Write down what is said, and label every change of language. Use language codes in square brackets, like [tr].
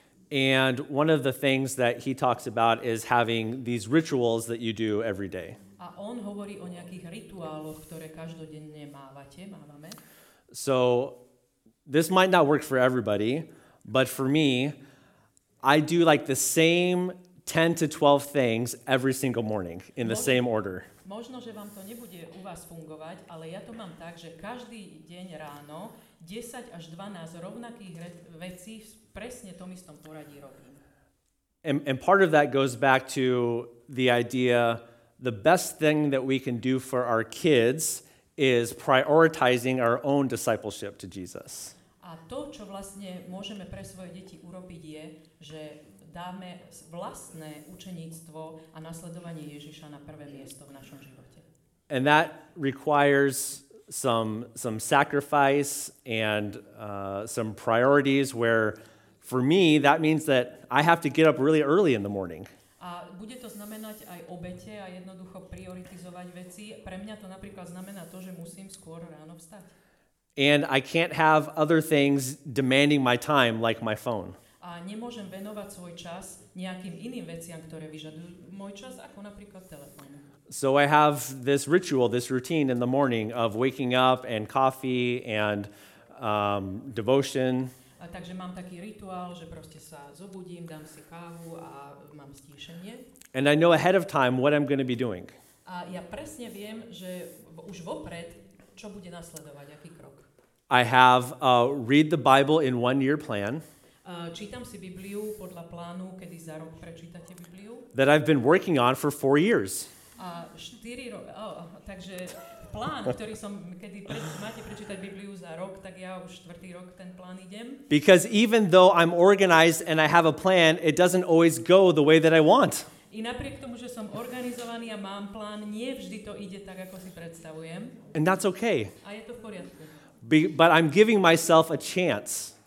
[en] And one of the things that he talks about is having these rituals that you do every day. [sk] A on hovorí o nejakých rituáloch, ktoré každodenne mávame. [en] So this might not work for everybody, but for me, I do like the same 10 to 12 things every single morning in the same order. [sk] Možno, že vám to nebude u vás fungovať, ale ja to mám tak, že každý deň ráno 10 až 12 rovnakých vecí v presne tom istom poradí robím. [en] And part of that goes back to the idea, the best thing that we can do for our kids is prioritizing our own discipleship to Jesus. [sk] A to, čo vlastne môžeme pre svoje deti urobiť, je, že dáme vlastné učeníctvo a nasledovanie Ježiša na prvé miesto v našom živote. [en] And that requires some sacrifice and some priorities where for me that means that I have to get up really early in the morning. [sk] A bude to znamenať aj obete a jednoducho prioritizovať veci. Pre mňa to napríklad znamená to, že musím skôr ráno vstať. [en] And I can't have other things demanding my time like my phone. [sk] A nemôžem venovať svoj čas nejakým iným veciam, ktoré vyžadujú môj čas, ako napríklad telefón. [en] So I have this ritual, this routine in the morning of waking up and coffee and devotion. [sk] Takže mám taký rituál, že proste sa zobudím, dám si kávu a mám stíšenie. [en] And I know ahead of time what I'm going to be doing. [sk] A ja presne viem, že už vopred, čo bude nasledovať, aký krok. [en] I have read the Bible in 1 year plan. [sk] Čítam si Bibliu podľa plánu, kedy za rok prečítate Bibliu. [en] That I've been working on for 4 years. [sk] A 4 rokov, takže plán, ktorý som, kedy máte prečítať Bibliu za rok, tak ja už 4. rok ten plán idem. [en] Because even though I'm organized and I have a plan, it doesn't always go the way that I want. [sk] I napriek tomu, že som organizovaný a mám plán, nie vždy to ide tak, ako si predstavujem. [en] And that's okay. [sk] A je to v poriadku. [en] But I'm giving myself a chance.